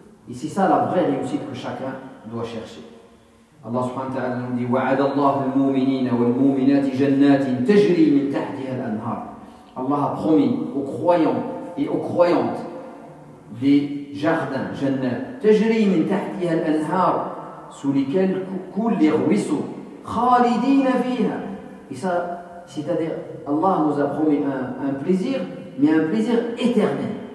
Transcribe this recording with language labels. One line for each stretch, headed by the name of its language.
French: Et c'est ça la vraie réussite que chacun doit chercher. Allah subhanahu wa ta'ala dit
Arabic: وَعَدَ اللَّهُ الْمُؤْمِنِينَ وَالْمُؤْمِنَاتِ جَنَّاتٍ تَجْرِي مِنْ تَحْتِهَا الْأَنْهَارِ.
French: Allah a promis aux croyants et aux croyantes des jardins, jannat,
Arabic: تَجْرِي مِنْ تَحْتِهَا الْأَنْهَارِ,
French: sous lesquels coulent les ruisseaux,
Arabic: خَالِدِينَ فِيهَا.
French: Et ça, c'est-à-dire, Allah nous a promis un plaisir, mais un plaisir éternel.